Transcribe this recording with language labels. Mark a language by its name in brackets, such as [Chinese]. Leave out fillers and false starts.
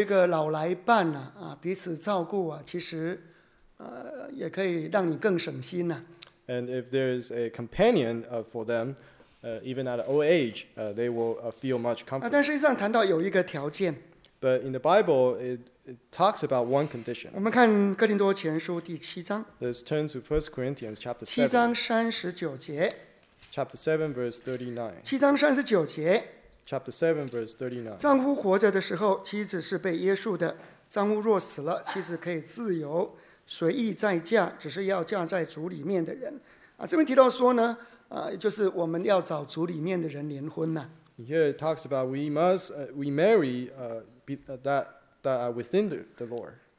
[Chinese] 有时候有一个老来伴啊, 彼此照顾啊, 其实, 也可以让你更省心啊。 [English] And if there is a companion for them, even at an old age, they will feel much comfort. [Chinese] 但实际上谈到有一个条件。 [English] But in the Bible, it talks about one condition. [Chinese] 我们看哥林多前书第七章, [English] Let's turn to 1 Corinthians chapter [Chinese] 7. 7章39节, [English] chapter 7, verse 39. [Chinese] 7章39节, [English] chapter 7, verse 39. [Chinese] 丈夫活着的时候, 妻子是被约束的, 丈夫若死了, 妻子可以自由, 随意再嫁, 只是要嫁在主里面的人。这边提到说呢, 就是我们要找主里面的人联婚呢。 [English] Here it talks about we must remarry that are within the Lord.